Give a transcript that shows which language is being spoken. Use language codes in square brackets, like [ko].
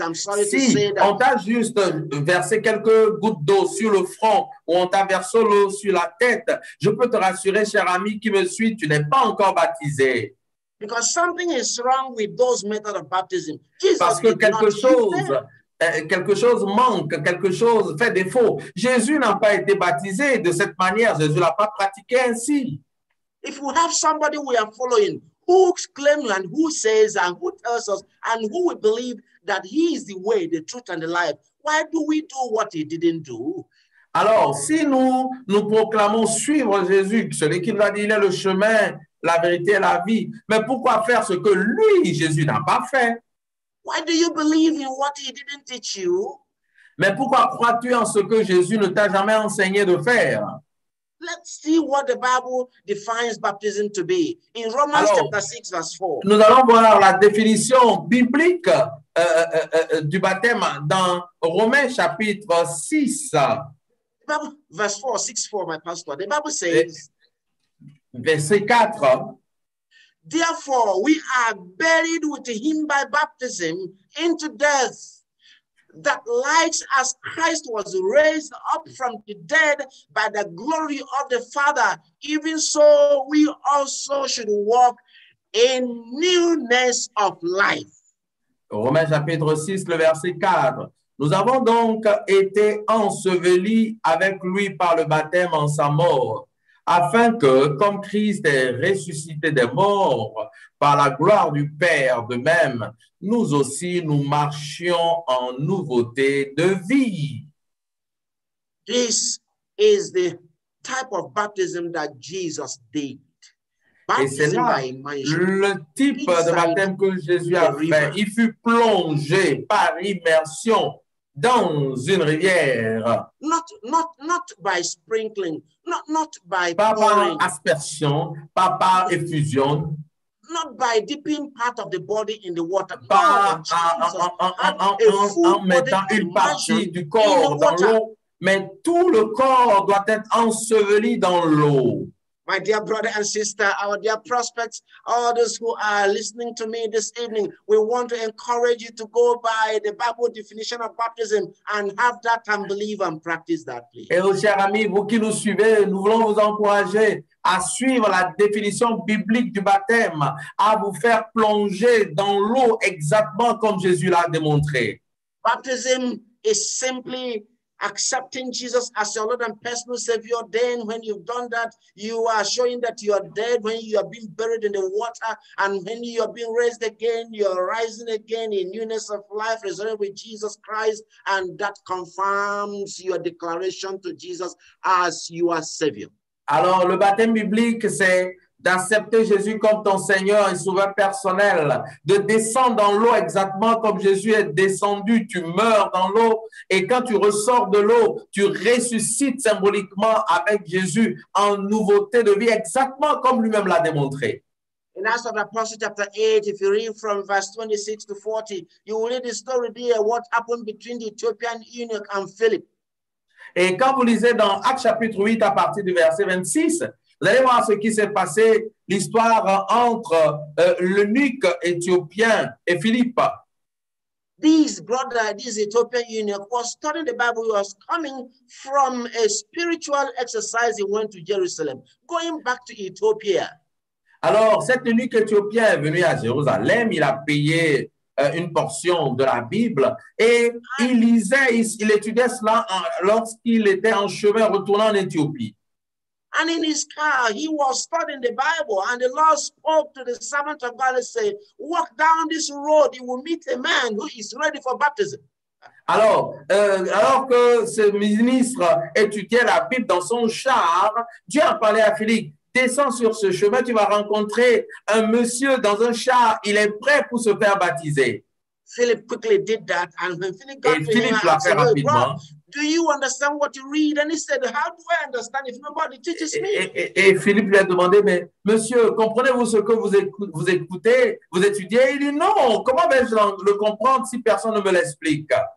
[en] I'm sorry [fr] si [en] to say that. [fr] On t'a juste versé quelques gouttes d'eau sur le front ou on t'a versé l'eau sur la tête, je peux te rassurer, cher ami qui me suit, tu n'es pas encore baptisé. [en] Because something is wrong with those methods of baptism. Jesus [fr] parce que quelque chose. Quelque chose manque, quelque chose fait défaut. Jésus n'a pas été baptisé de cette manière. Jésus l'a pas pratiqué ainsi. [en] If we have somebody we are following, who claims and who says and who tells us and who we believe that he is the way, the truth and the life, why do we do what he didn't do? [fr] Alors, si nous proclamons suivre Jésus, celui qui nous a dit il est le chemin, la vérité et la vie, mais pourquoi faire ce que lui, Jésus, n'a pas fait? [en] Why do you believe in what he didn't teach you? [fr] Mais pourquoi crois-tu en ce que Jésus ne t'a jamais enseigné de faire? [en] Let's see what the Bible defines baptism to be. In Romans [fr] alors, [en] chapter 6 verse 4. [fr] Nous allons voir la définition biblique du baptême dans Romains chapitre 6. [en] Verse 4, my pastor. The Bible says. [fr] Verset 4. [en] Therefore, we are buried with him by baptism into death, that like as Christ was raised up from the dead by the glory of the Father, even so we also should walk in newness of life. [fr] Romains chapitre 6, le verset 4. Nous avons donc été ensevelis avec lui par le baptême en sa mort. Afin que, comme Christ est ressuscité des morts par la gloire du Père de même, nous aussi nous marchions en nouveauté de vie. [en] This is the type of baptism that Jesus did. [fr] Baptism, et c'est là le type de baptême que Jésus a fait. Il fut plongé par immersion dans une rivière. [en] Not by sprinkling. Not by [fr] pas par aspersion, pas par effusion. [en] Not by dipping part of the body in the water. [fr] Pas en mettant une partie du corps dans l'eau, mais tout le corps doit être enseveli dans l'eau. [en] My dear brother and sister, our dear prospects, all those who are listening to me this evening, we want to encourage you to go by the Bible definition of baptism and have that and believe and practice that, please. [fr] Et chers amis, vous qui nous suivez, nous voulons vous encourager à suivre la définition biblique du baptême, à vous faire plonger dans l'eau exactement comme Jésus l'a démontré. [en] Baptism is simply accepting Jesus as your Lord and personal Savior. Then when you've done that, you are showing that you are dead when you are being buried in the water, and when you are being raised again, you are rising again in newness of life, resurrected with Jesus Christ, and that confirms your declaration to Jesus as your Savior. [fr] Alors, le baptême biblique, c'est d'accepter Jésus comme ton Seigneur et Sauveur personnel, de descendre dans l'eau exactement comme Jésus est descendu, tu meurs dans l'eau, et quand tu ressors de l'eau, tu ressuscites symboliquement avec Jésus en nouveauté de vie, exactement comme lui-même l'a démontré. [en] In Acts of the Apostles chapter 8, if you read from verse 26 to 40, you will read the story there, what happened between the Ethiopian eunuch and Philip. [fr] Et quand vous lisez dans Actes chapitre 8, à partir du verset 26, vous allez voir ce qui s'est passé, l'histoire entre l'eunuque éthiopien et Philippe. [en] This brother, this Ethiopian eunuch, was studying the Bible. He was coming from a spiritual exercise. He went to Jerusalem, going back to Ethiopia. [fr] Alors, cet eunuque éthiopien est venu à Jérusalem. Il a payé une portion de la Bible et il lisait, il étudiait cela lorsqu'il était en chemin retournant en Éthiopie. [en] And in his car, he was studying the Bible, and the Lord spoke to the servant of God and said, walk down this road, you will meet a man who is ready for baptism. [fr] Alors, alors que ce ministre étudiait la Bible dans son char, Dieu a parlé à Philippe, descends sur ce chemin, tu vas rencontrer un monsieur dans un char, il est prêt pour se faire baptiser. [en] Philip quickly did that, and when Philip got to him, he said, do you understand what you read? And he said, how do I understand if nobody teaches me? [fr] Et Philippe lui a demandé, mais monsieur, comprenez-vous ce que vous écoutez, vous étudiez? Il dit, non, comment vais-je le comprendre si personne ne me l'explique?